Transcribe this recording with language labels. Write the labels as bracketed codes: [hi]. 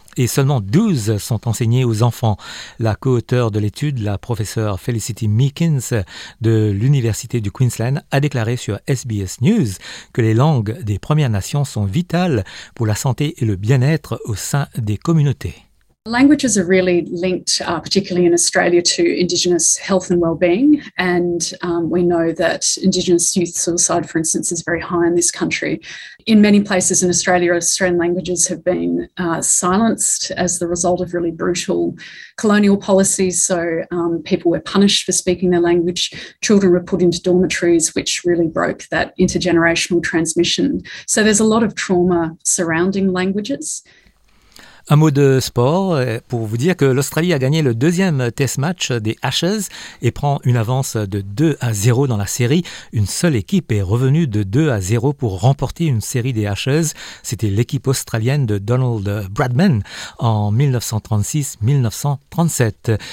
[fr] Et seulement 12 sont enseignées aux enfants. La co-auteure de l'étude, la professeure Felicity Meekins de l'Université du Queensland, a déclaré sur SBS News que les langues des Premières Nations sont vitales pour la santé et le bien-être au sein des communautés. [en] Languages are really linked, particularly in Australia, to Indigenous health and well-being. And we know that Indigenous youth suicide, for instance, is very high in this country. In many places in Australia, Australian languages have been silenced as the result of really brutal colonial policies. So people were punished for speaking their language. Children were put into dormitories, which really broke that intergenerational transmission. So there's a lot of trauma surrounding languages. [fr] Un mot de sport pour vous dire que l'Australie a gagné le deuxième test match des Ashes et prend une avance de 2-0 dans la série. Une seule équipe est revenue de 2-0 pour remporter une série des Ashes. C'était l'équipe australienne de Donald Bradman en 1936-1937.